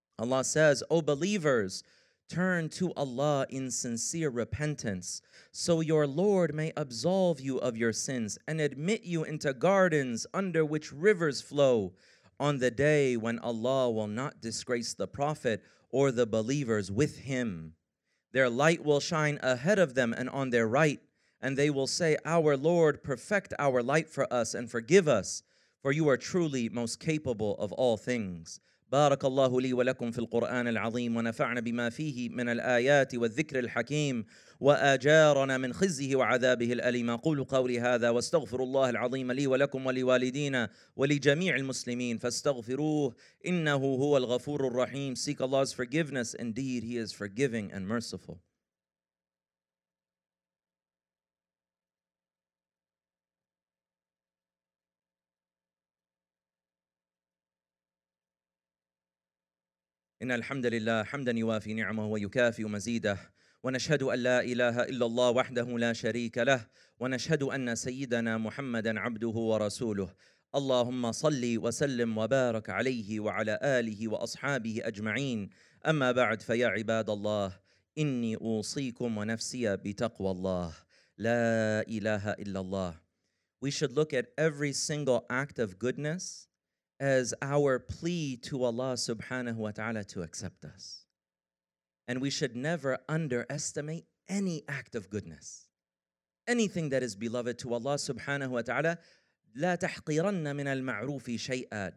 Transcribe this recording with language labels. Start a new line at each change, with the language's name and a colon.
English: Allah says, O believers, turn to Allah in sincere repentance, so your Lord may absolve you of your sins and admit you into gardens under which rivers flow on the day when Allah will not disgrace the Prophet or the believers with him. Their light will shine ahead of them and on their right, and they will say, Our Lord, perfect our light for us and forgive us, for you are truly most capable of all things.
Arabic: بارك الله لي ولكم في القرآن العظيم ونفعنا بما فيه من الآيات والذكر الحكيم وأجارنا من خزيه وعذابه الأليم. أقول قولي هذا واستغفر الله العظيم لي ولكم ولوالدينا ولجميع المسلمين فاستغفروه إنه هو الغفور الرحيم.
English: Seek Allah's forgiveness. Indeed, He is forgiving and merciful.
Arabic: إن الحمد لله حمدا يوافي نعمه ويكافئ مزيده ونشهد أن لا إله إلا الله وحده لا شريك له ونشهد أن سيدنا محمدا عبده ورسوله. اللهم صل وسلم وبارك عليه وعلى آله وأصحابه أجمعين. أما بعد فيا عباد الله إني أوصيكم ونفسي بتقوى الله لا إله إلا الله.
English: We should look at every single act of goodness as our plea to Allah subhanahu wa ta'ala to accept us. And we should never underestimate any act of goodness. Anything that is beloved to Allah subhanahu wa ta'ala,
Arabic: لا تحقرن من المعروف شيئا.